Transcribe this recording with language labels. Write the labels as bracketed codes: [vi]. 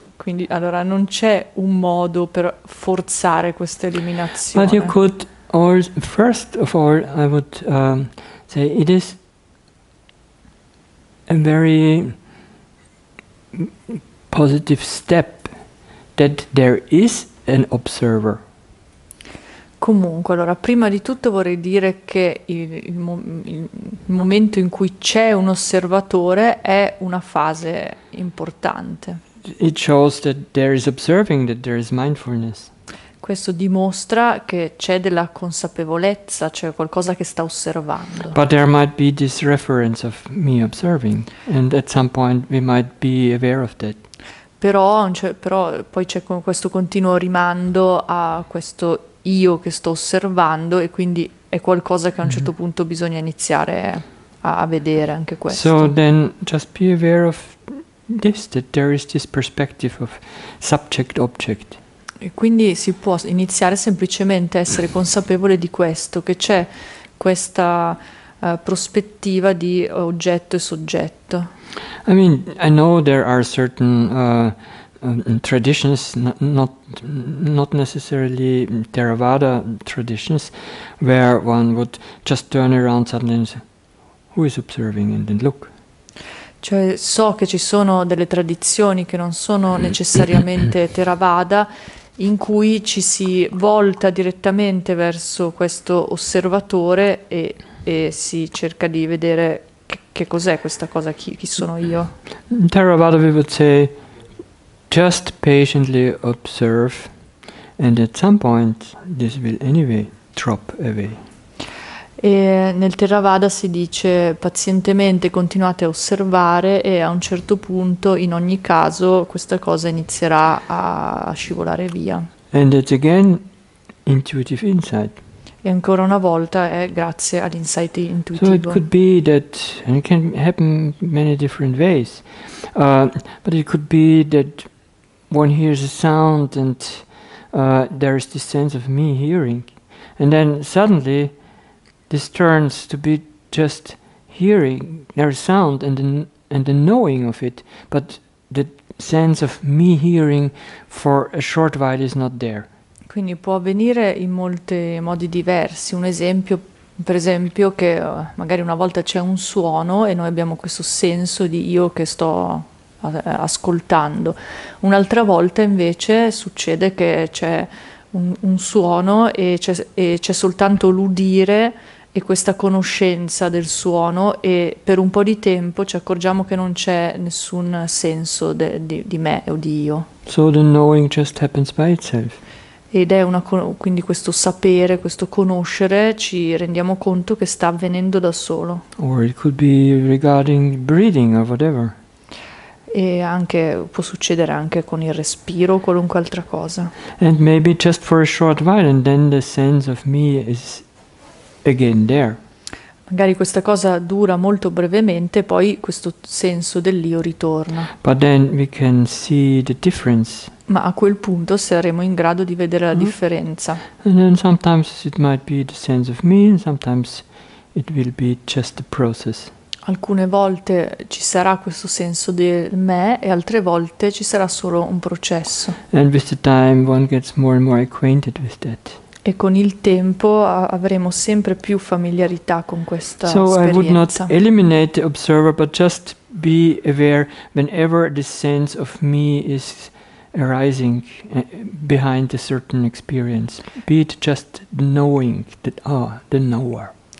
[it] Quindi allora non c'è un modo per forzare questa eliminazione. [en] But you could first of all I would say it is a very positive step that there is an observer. [it] Comunque, allora, prima di tutto vorrei dire che il momento in cui c'è un osservatore è una fase importante. [en] It shows that there is observing, that there is mindfulness. [it] Questo dimostra che c'è della consapevolezza, cioè qualcosa che sta osservando. [en] But there might be this reference of me observing, and at some point we might be aware of that. [it] Però poi c'è questo continuo rimando a questo io che sto osservando, e quindi è qualcosa che a un certo punto bisogna iniziare a vedere anche questo. [en] So then just be aware of this, that there is this perspective of subject-object. [it] E quindi si può iniziare semplicemente a essere consapevole di questo, che c'è questa prospettiva di oggetto e soggetto. [en] I mean, I know there are certain traditions, not necessarily Theravada traditions, where one would just turn around suddenly and say, who is observing, and then look. [it] Cioè, so che ci sono delle tradizioni che non sono necessariamente Theravada, in cui ci si volta direttamente verso questo osservatore e si cerca di vedere che cos'è questa cosa, chi sono io. [en] In Theravada we would say, just patiently observe, and at some point this will anyway drop away. [it] E nel Theravada si dice pazientemente continuate a osservare e a un certo punto in ogni caso questa cosa inizierà a scivolare via. [en] And it's again intuitive insight. [it] E ancora una volta è grazie all'insight intuitivo. [en] So it could be that, and it can happen many different ways, but it could be that one hears a sound and there is this sense of me hearing, and then suddenly this turns to be just hearing, there is sound and the knowing of it, but the sense of me hearing for a short while is not there. [it] Quindi può avvenire in molti modi diversi. Un esempio, per esempio, che magari una volta c'è un suono e noi abbiamo questo senso di io che sto ascoltando. Un'altra volta invece succede che c'è un suono e c'è soltanto l'udire e questa conoscenza del suono, e per un po' di tempo ci accorgiamo che non c'è nessun senso di me o di io. [en] So the knowing just happens by itself. [it] Ed è una, quindi questo sapere, questo conoscere, ci rendiamo conto che sta avvenendo da solo. [en] Or it could be regarding breathing or whatever. [it] E anche può succedere anche con il respiro o qualunque altra cosa. [en] And maybe just for a short while, and then the sense of me is again there. [it] Magari questa cosa dura molto brevemente, poi questo senso dell'io ritorna. [en] But then we can see the difference. [it] Ma a quel punto saremo in grado di vedere la differenza. [en] And then sometimes it might be the sense of me, and sometimes it will be just the process. [it] Alcune volte ci sarà questo senso del me e altre volte ci sarà solo un processo. [en] And with the time one gets more and more acquainted with that. [it] E con il tempo avremo sempre più familiarità con questa so esperienza. [en] So I would not eliminate the observer, but just be aware whenever the sense of me is arising behind a certain experience, be it just knowing that the knower.